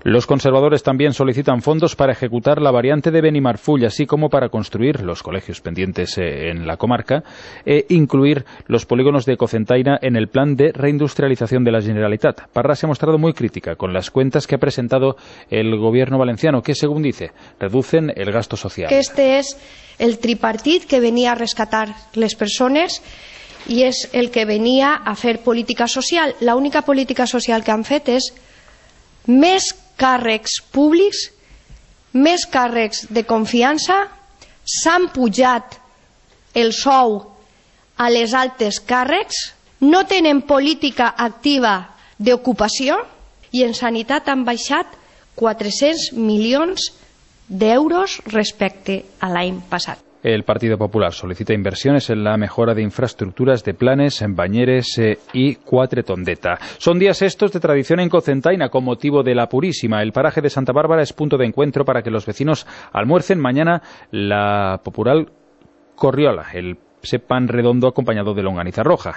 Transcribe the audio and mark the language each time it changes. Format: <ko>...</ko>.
<es>Los conservadores también solicitan fondos para ejecutar la variante de Benimarfull, así como para construir los colegios pendientes en la comarca e incluir los polígonos de Cocentaina en el plan de reindustrialización de la Generalitat. Parra se ha mostrado muy crítica con las cuentas que ha presentado el gobierno valenciano, que según dice, reducen el gasto social. Que este es el tripartit que venía a rescatar las personas y es el que venía a hacer política social. La única</es> <ca>política social que han fet es més càrrecs públics, més càrrecs de confiança, s'han pujat el sou a les altes càrrecs, no tenen política activa d'ocupació i en sanitat han baixat 400 milions d'euros respecte a l'any passat.</ca> <es>El Partido Popular solicita inversiones en la mejora de infraestructuras de planes en Bañeres y Cuatretondeta. Son días estos de tradición en Cocentaina con motivo de la Purísima. El paraje de Santa Bárbara es punto de encuentro para que los vecinos almuercen mañana la popular corriola, el pan redondo acompañado de longaniza roja.</es>